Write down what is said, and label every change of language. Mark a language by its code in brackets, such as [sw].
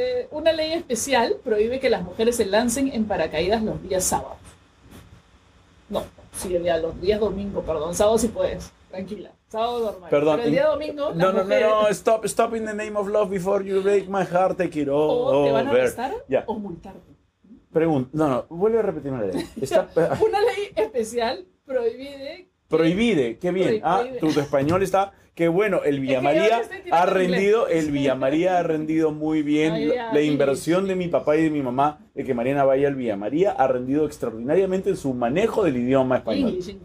[es] Una ley especial prohíbe que las mujeres se lancen en paracaídas los días sábados. No, sí, el día, los días domingo, perdón, sábado sí puedes, tranquila, sábado normal. Perdón, pero el día domingo, [en] stop in the name of love before you break my heart, take it all. [es] O te van a arrestar, yeah. O multarte. No, vuelve a repetir la ley. Una ley especial prohíbe... Prohibide, qué bien. Tu español está, qué bueno. El Villa María ha rendido, muy bien. La inversión de mi papá y de mi mamá de que Mariana vaya al Villa María ha rendido extraordinariamente en su manejo del idioma español.